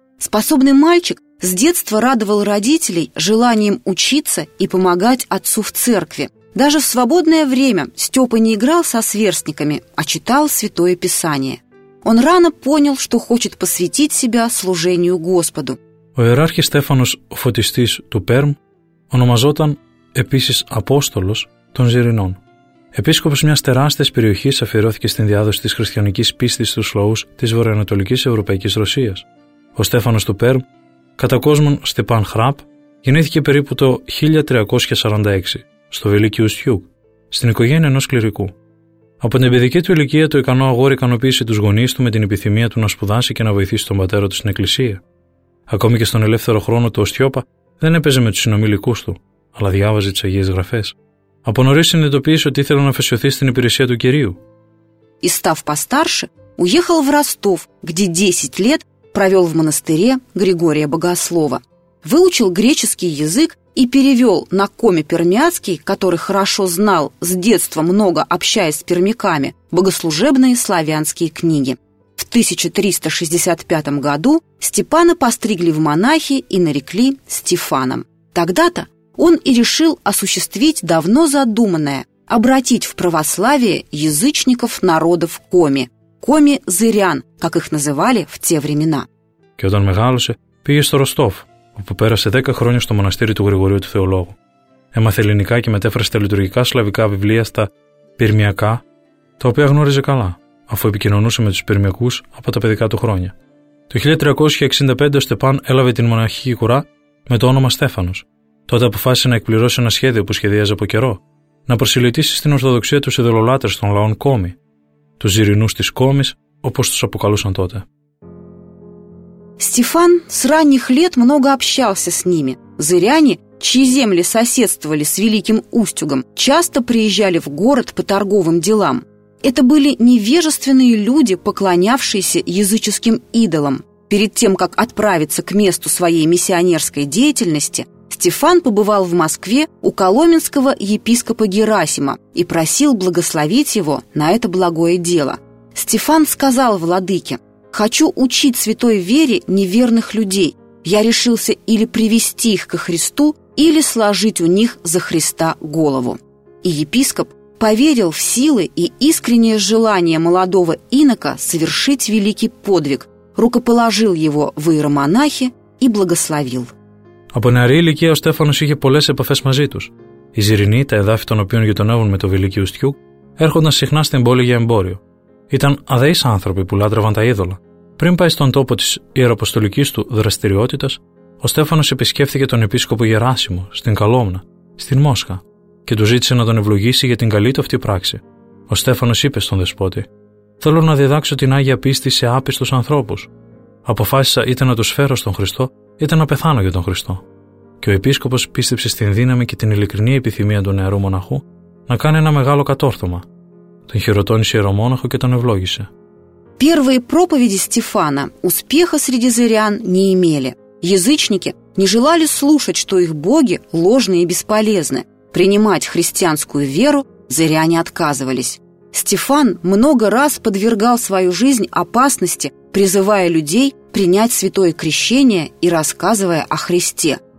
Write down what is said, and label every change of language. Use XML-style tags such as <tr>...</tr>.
<ru>Способный мальчик с детства радовал родителей желанием учиться и помогать отцу в церкви. Даже в свободное время Степа не играл со сверстниками, а читал Святое Писание. Он рано понял, что хочет посвятить себя служению Господу. У</ru> <el>Ο ιεράρχης Στέφανος Φωτιστής του Πέρμ ονομαζόταν επίσης Απόστολος των Ζηρινών. Επίσκοπος μιας τεράστιας περιοχής αφιερώθηκε στην διάδοση της χριστιανικής πίστης στους λαούς της βορειοανατολικής Ευρωπαϊκής Ρωσίας. Ο Στέφανος του Πέρμ, κατά κόσμον Στεπάν Χραπ, γεννήθηκε περίπου το 1346 στο Βελίκιο Ουστιούκ, στην οικογένεια ενός κληρικού. Από την παιδική του ηλικία, το ικανό αγόρι ικανοποίησε τους γονείς του με την επιθυμία του να σπουδάσει και να βοηθήσει τον πατέρα του στην εκκλησία. Ακόμη και στον ελεύθερο χρόνο του, ο Στιώπα δεν έπαιζε με τους συνομιλικούς του, αλλά διάβαζε τις Αγίες Γραφές. Από νωρίς συνειδητοποίησε ότι ήθελε να αφαισιωθεί στην υπηρεσία του Κυρίου.</el> <ru>И став постарше, уехал в Ростов, где 10 лет провел в монастыре Григория Богослова. Выучил греческий язык и перевел на Коми Пермяцкий, который хорошо знал с детства, много общаясь с пермяками, богослужебные славянские книги. В 1365 году Степана постригли в монахи и нарекли Стефаном. Тогда-то он и решил осуществить давно задуманное – обратить в православие язычников народов Коми. Коми-зырян, как их называли в те времена.</ru> <el>Και όταν μεγάλωσε, πήγε στο Ροστόφ, όπου πέρασε 10 χρόνια στο μοναστήρι του Γρηγορίου του Θεολόγου. Έμαθε ελληνικά και μετέφρασε τα λειτουργικά σλαβικά βιβλία στα πυρμιακά, τα οποία γνώριζε καλά, αφού επικοινωνούσε με τους πυρμιακούς από τα παιδικά του χρόνια. Το 1365 ο Στεπάν έλαβε την μοναχική κουρά με το όνομα Στέφανος. Τότε αποφάσισε να εκπληρώσει ένα σχέδιο που σχεδίαζε από καιρό, να προσελητήσει στην Ορθοδοξία τους ειδωλολάτρες των λαών Κόμι, τους Ζηρινούς της Κόμης, όπως τους αποκαλούσαν τότε.</el> <ru>Стефан с ранних лет много общался с ними. Зыряне, чьи земли соседствовали с Великим Устюгом, часто приезжали в город по торговым делам. Это были невежественные люди, поклонявшиеся языческим идолам. Перед тем, как отправиться к месту своей миссионерской деятельности, Стефан побывал в Москве у коломенского епископа Герасима и просил благословить его на это благое дело. Стефан сказал владыке: «Хочу учить святой вере неверных людей. Я решился или привести их ко Христу, или сложить у них за Христа голову». И епископ поверил в силы и искреннее желание молодого инока совершить великий подвиг, рукоположил его в иеромонахи и благословил.</ru> <el>Από νεαρή ηλικία ο Στέφανος είχε πολλές επαφές μαζί τους. Οι Ζηρινοί, τα εδάφη των οποίων γειτονεύουν με το Βελίκιο Ουστιούκ, έρχονταν συχνά στην πόλη για εμπόριο. Ήταν αδαείς άνθρωποι που λάτρευαν τα είδωλα. Πριν πάει στον τόπο της ιεραποστολικής του δραστηριότητας, ο Στέφανος επισκέφθηκε τον επίσκοπο Γεράσιμο στην Καλόμνα, στην Μόσχα, και του ζήτησε να τον ευλογήσει για την καλή του αυτή πράξη. Ο Στέφανος είπε στον δεσπότη: «Θέλω να διδάξω την Άγια Πίστη σε άπιστους ανθρώπους. Αποφάσισα είτε να τους φέρω στον Χριστό, είτε να πεθάνω για τον Χριστό». Και ο επίσκοπος πίστεψε στην δύναμη και την ειλικρινή επιθυμία του νεαρού μοναχού να κάνει ένα μεγάλο κατόρθωμα. Τον χειροτώνησε ιερομόναχο και τον ευλόγησε.</el> <ru>Первые проповеди Стефана успеха среди зырян не имели. Язычники не желали слушать, что их боги ложные и бесполезны. Принимать христианскую веру зыряне отказывались. Стефан много раз подвергал свою жизнь опасности, призывая людей принять святое крещение и рассказывая о Христе.</ru>